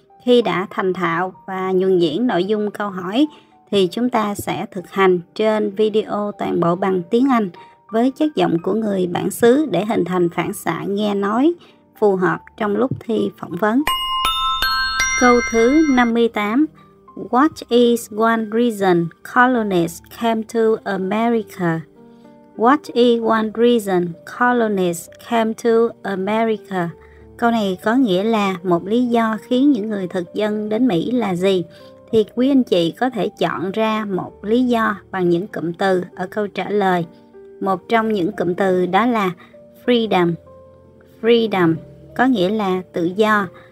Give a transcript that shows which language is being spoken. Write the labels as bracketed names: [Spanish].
[Vietnamese] Khi đã thành thạo và nhuần nhuyễn nội dung câu hỏi, thì chúng ta sẽ thực hành trên video toàn bộ bằng tiếng Anh với chất giọng của người bản xứ để hình thành phản xạ nghe nói phù hợp trong lúc thi phỏng vấn. Câu thứ 58. [English] What is one reason colonists came to America? What is one reason colonists came to America? [Vietnamese] Câu này có nghĩa là một lý do khiến những người thực dân đến Mỹ là gì? Thì quý anh chị có thể chọn ra một lý do bằng những cụm từ ở câu trả lời. Một trong những cụm từ đó là freedom. Freedom có nghĩa là tự do.